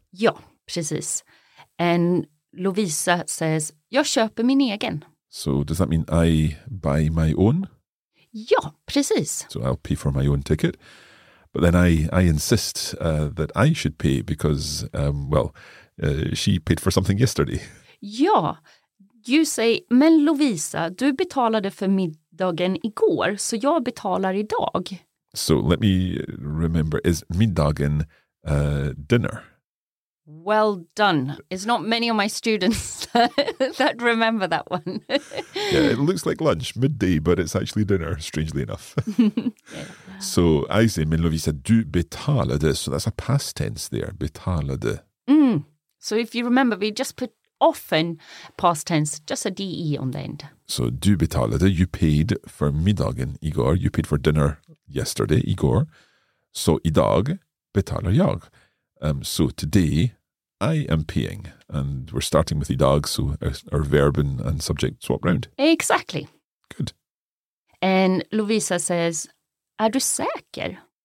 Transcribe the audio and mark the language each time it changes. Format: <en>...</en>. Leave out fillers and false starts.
<sv>Ja, precis.</sv> <en>And Lovisa says,</en> <sv>jag köper min egen.</sv> <en>So does that mean I buy my own?</en> <sv>Ja, precis.</sv> <en>So I'll pay for my own ticket. But then I insist that I should pay because, she paid for something yesterday.</en> <sv>Ja,</sv> <en>you say,</en> <sv>men Lovisa, du betalade för middagen igår, så jag betalar idag.</sv> <en>So let me remember, is middagen dinner? Well done. It's not many of my students that remember that one. Yeah, it looks like lunch, midday, but it's actually dinner, strangely enough. So I say,</en> <sv>men Lovisa, du betalade,</sv> <en>so that's a past tense there, betalade. Mm. So if you remember, we just put often past tense, just a de on the end. So</en> <sv>du betalade,</sv> <en>you paid for</en> <sv>middagen igår,</sv> <en>you paid for dinner yesterday, igår.</en> <sv>So idag betalar jag.</sv> <en>So today I am paying, and we're starting with idag, so our verb and subject swap round. Exactly. Good. And Lovisa says,</en> <sv>är du säker?</sv>